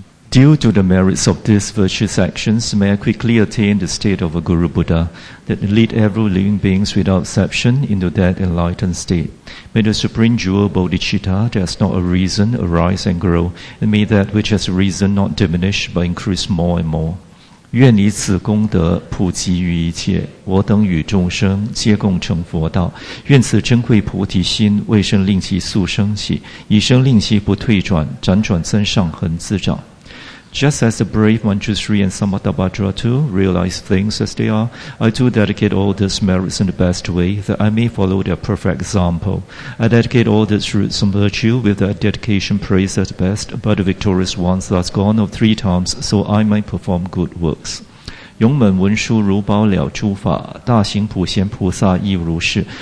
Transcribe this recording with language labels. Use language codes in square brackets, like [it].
[en] Due to the merits of these virtuous actions, may I quickly attain the state of a Guru Buddha that lead every living beings without exception into that enlightened state. May the supreme jewel Bodhicitta that has not arisen arise and grow, and may that which has arisen not diminish but increase more and more. [zh] 愿以此功德普及于一切，我等与众生皆共成佛道。愿此珍贵菩提心未生令其速生起，以生令其不退转，辗转增上恒自长。 [en] Just as the brave Manjushri and Samatabhadra too realize things as they are, I too dedicate all these merits in the best way that I may follow their perfect example. I dedicate all these roots and virtue with that dedication praised at best by the victorious ones that's gone of three times so I may perform good works. [zh] 勇猛文殊如宝了诸法，大行普贤菩萨亦如是。